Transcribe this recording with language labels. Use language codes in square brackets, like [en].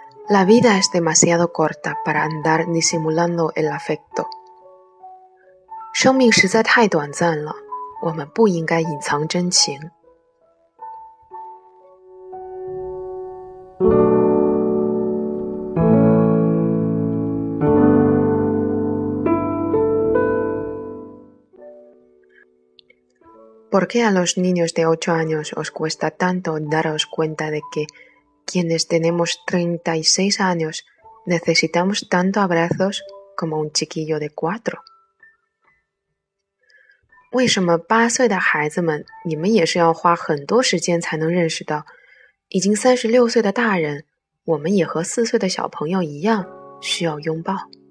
[es] La vida es demasiado corta para andar disimulando el afecto. [zh] 生命实在太短暂了，我们不应该隐藏真情。 [es] ¿Por qué a los niños de 8 años os cuesta tanto daros cuenta de que quienes tenemos 36 años necesitamos tanto abrazos como un chiquillo de 4? [zh] 为什么8岁的孩子们，你们也是要花很多时间才能认识到，已经36岁的大人，我们也和4岁的小朋友一样需要拥抱？